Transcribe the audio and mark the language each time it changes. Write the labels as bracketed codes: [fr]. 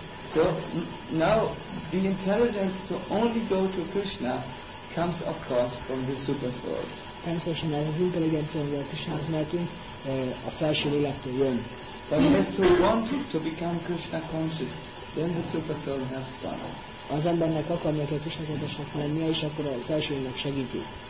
[en] So now the intelligence to only go to Krishna comes of course from the super soul. [hu] Természetesen ez az intelligencia, amivel Krishnához mehetünk, a felső lélektől jön. [en] But as to want to become Krishna conscious, then the super soul helps one. [hu] Az embernek akarnia kell Krishna tudatosnak lenni, és akkor a felső lélek segíti.